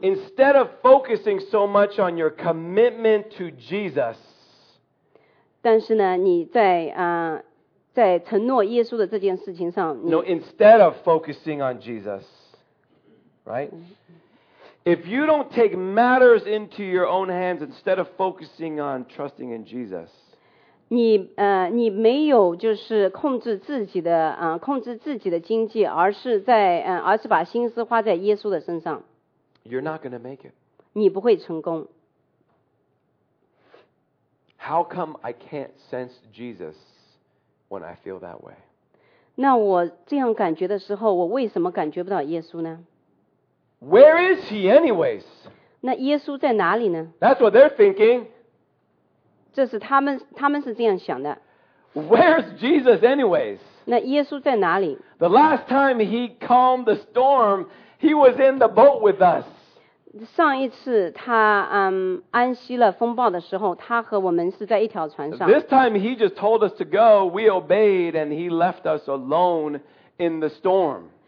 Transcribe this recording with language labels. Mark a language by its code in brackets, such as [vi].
[en] instead of focusing so much on your commitment to Jesus, [zh] 但是呢，你在在承诺耶稣的这件事情上， [en] no, instead of focusing on Jesus, right? If you don't take matters into your own hands instead of focusing on trusting in Jesus, [zh] 你没有就是控制自己的控制自己的经济，而是在而是把心思花在耶稣的身上。 [en] You're not going to make it. [zh] 你不会成功。 [en] How come I can't sense Jesus when I feel that way? [zh] 那我这样感觉的时候，我为什么感觉不到耶稣呢？ [en] Where is he anyways? [zh] 那耶稣在哪里呢？ [en] That's what they're thinking. [zh] 这是他们是这样想的。 [en] Where's Jesus anyways? [zh] 那耶稣在哪里？ [en] The last time he calmed the storm, he was in the boat with us. [zh] 上一次他安息了风暴的时候，他和我们是在一条船上。 [en] This time he just told us to go, we obeyed, and he left us alone in the storm.